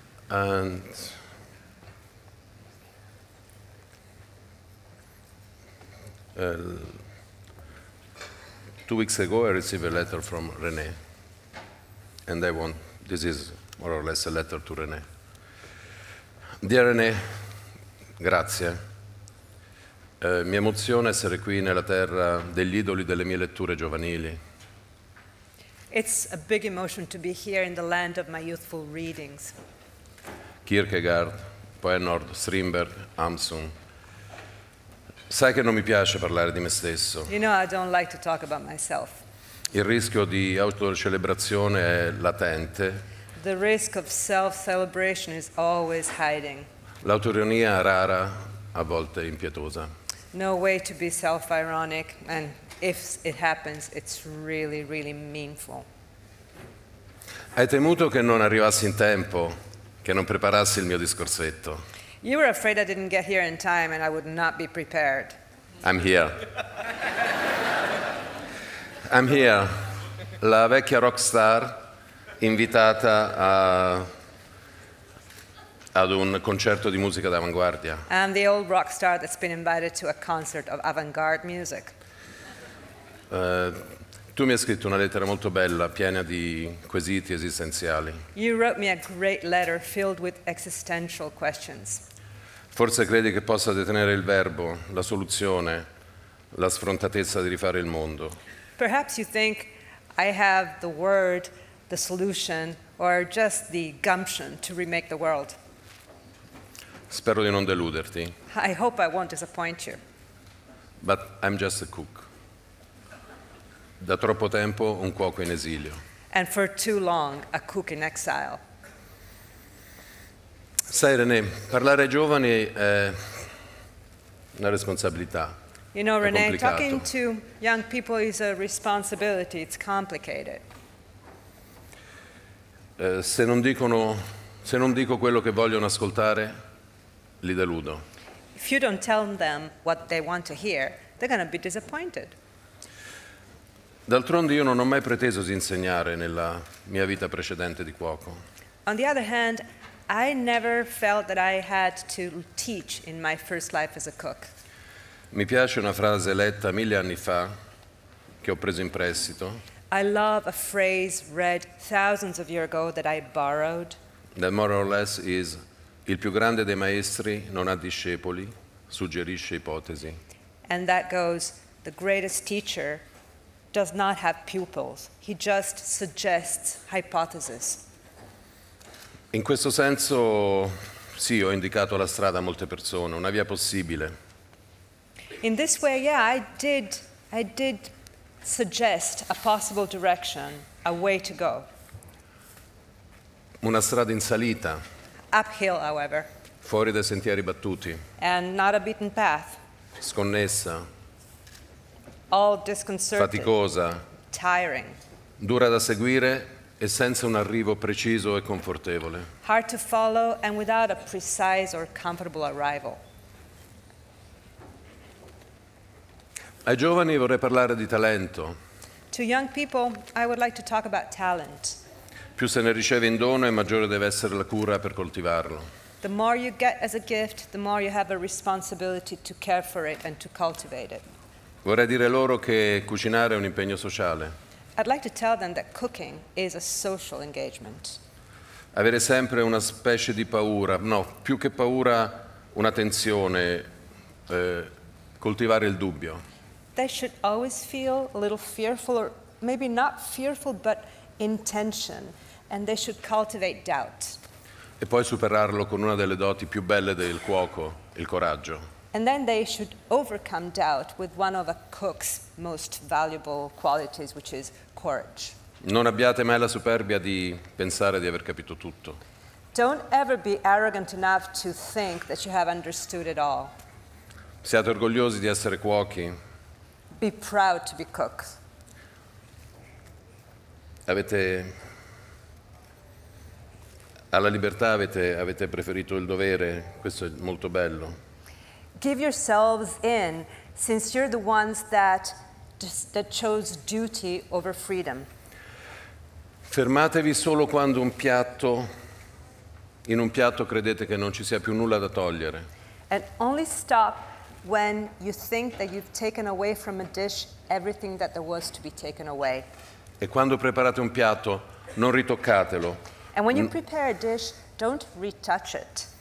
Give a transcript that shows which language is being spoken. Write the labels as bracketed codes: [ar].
[en] And two weeks ago, I received a letter from René, and I want, this is more or less a letter to René. Dear René, [it] grazie. Mi emoziona essere qui nella terra degli idoli delle mie letture giovanili. [en] It's a big emotion to be here in the land of my youthful readings. [it] Kierkegaard, poi Nord, Strindberg, Hamsun. Sai che non mi piace parlare di me stesso. [en] You know I don't like to talk about myself. [it] Il rischio di autocelebrazione è latente. [en] The risk of self-celebration is always hiding. [it] L'autoironia rara, a volte impietosa. [en] No way to be self-ironic, and if it happens, it's really, really meanful. [it] Hai temuto che non arrivassi in tempo, che non preparassi il mio discorsetto. [en] You were afraid I didn't get here in time and I would not be prepared. I'm here. [it] La vecchia rock star invitata ad un concerto di musica d'avanguardia. [en] I'm the old rock star that's been invited to a concert of avant-garde music. [it] Tu mi hai scritto una lettera molto bella, piena di quesiti esistenziali. [en] You wrote me a great letter filled with existential questions. [it] Forse credi che possa detenere il verbo, la soluzione, la sfrontatezza di rifare il mondo. [en] Perhaps you think I have the word, the solution, or just the gumption to remake the world. [it] Spero di non deluderti. [en] I hope I won't disappoint you. But I'm just a cook. [it] Da troppo tempo un cuoco in esilio. [en] And for too long, a cook in exile. [it] Sai, René, parlare ai giovani è una responsabilità. [en] You know, René, talking to young people is a responsibility. It's complicated. [it] Se non dico quello che vogliono ascoltare, li deludo. [en] If you don't tell them what they want to hear, they're going to be disappointed. [it] D'altronde, io non ho mai preteso di insegnare nella mia vita precedente di cuoco. [en] On the other hand, I never felt that I had to teach in my first life as a cook. [it] Mi piace una frase letta mille anni fa che ho preso in prestito. [en] I love a phrase read thousands of years ago that I borrowed. That more or less is, [it] il più grande dei maestri non ha discepoli, suggerisce ipotesi. [en] And that goes, the greatest teacher does not have pupils, he just suggests hypotheses. [it] In questo senso, sì, ho indicato la strada a molte persone, una via possibile. [en] In this way, yeah, I did suggest a possible direction, a way to go. [it] Una strada in salita. [en] Uphill, however. [it] Fuori dai sentieri battuti. [en] And not a beaten path. [it] Sconnessa. [en] All disconcerting. [it] Faticosa. [en] Tiring. [it] Dura da seguire. E senza un arrivo preciso e confortevole. [en] Hard to follow and without a precise or comfortable arrival. [it] Ai giovani vorrei parlare di talento. [en] To young people, I would like to talk about talent. [it] Più se ne riceve in dono, e maggiore deve essere la cura per coltivarlo. [en] The more you get as a gift, the more you have a responsibility to care for it and to cultivate it. [it] Vorrei dire loro che cucinare è un impegno sociale. [en] I'd like to tell them that cooking is a social engagement. [it] Avere sempre una specie di paura, no, più che paura, una tensione, coltivare il dubbio. [en] They should always feel a little fearful, or maybe not fearful, but in tension, and they should cultivate doubt. [it] e poi superarlo con una delle doti più belle del cuoco, il coraggio. [en] And then they should overcome doubt with one of a cook's most valuable qualities, which is courage. [it] Non abbiate mai la superbia di pensare di aver capito tutto. [en] Don't ever be arrogant enough to think that you have understood it all. [it] Siate orgogliosi di essere cuochi. [en] Be proud to be cooks. [it] Avete alla libertà avete preferito il dovere. Questo è molto bello. [en] Give yourselves in, since you're the ones that chose duty over freedom. [it] Fermatevi solo quando in un piatto credete che non ci sia più nulla da togliere. [en] And only stop when you think that you've taken away from a dish everything that there was to be taken away. [it] E quando preparate un piatto, non ritoccatelo. [en] And when you prepare a dish, don't retouch it.